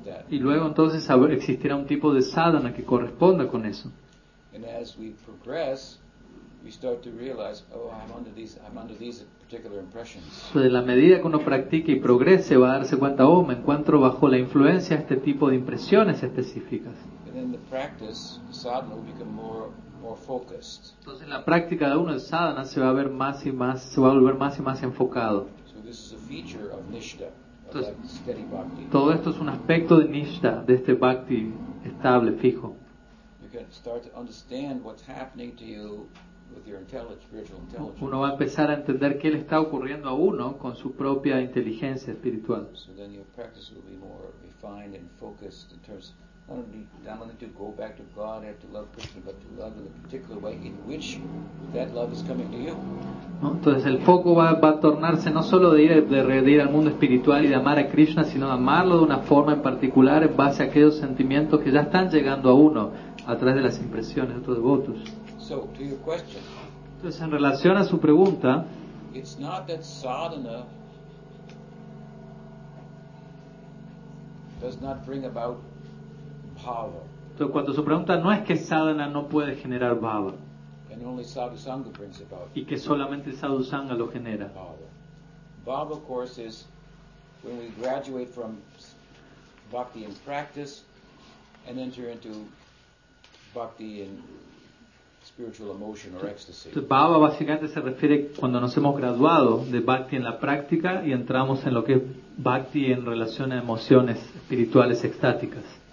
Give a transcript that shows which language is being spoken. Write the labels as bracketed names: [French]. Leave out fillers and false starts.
[Spanish] Y luego, entonces, existirá un tipo de sadhana que corresponda con eso. [English] And as we progress, we start to realize, oh, I'm under these particular impressions. [Spanish] Entonces, en la medida que uno practique y progrese, va a darse cuenta, oh, me encuentro bajo la influencia de este tipo de impresiones específicas. [English] And then the practice, the sadhana, will become more focused. [Spanish] Entonces, en la práctica de uno, el sadhana se va a ver más y más, se va a volver más y más enfocado. [English] So this is a feature of nishtha, entonces, of that steady bhakti. [Spanish] Todo esto es un aspecto de nishtha, de este bhakti estable, fijo. [English] You can start to understand what's happening to you. With your spiritual intelligence. [Spanish] Uno va a empezar a entender qué le está ocurriendo a uno con su propia inteligencia espiritual. [English] So then your practice will be more refined and focused in terms of not only to go back to God and to love Krishna, but to love in the particular way in which that love is coming to you. [Spanish] ¿No? Entonces el foco va a tornarse no solo de ir al mundo espiritual y de amar a Krishna, sino de amarlo de una forma en particular en base a aquellos sentimientos que ya están llegando a uno a través de las impresiones de otros devotos. [English] So, to your question. [Spanish] Entonces, en relación a su pregunta, [English] it's not that sadhana does not bring about bhava. [Spanish] Entonces, cuando su pregunta no es que sadhana no puede generar bhava, [English] and only sadhusanga brings about, [Spanish] y que solamente sadhusanga lo genera. [English] Bhava, of course, is when we graduate from bhakti in practice and enter into bhakti in spiritual emotion or ecstasy. [Spanish] Bhava básicamente se refiere cuando nos hemos graduado de bhakti en la práctica y entramos en lo que es bhakti en relación a emociones espirituales extáticas.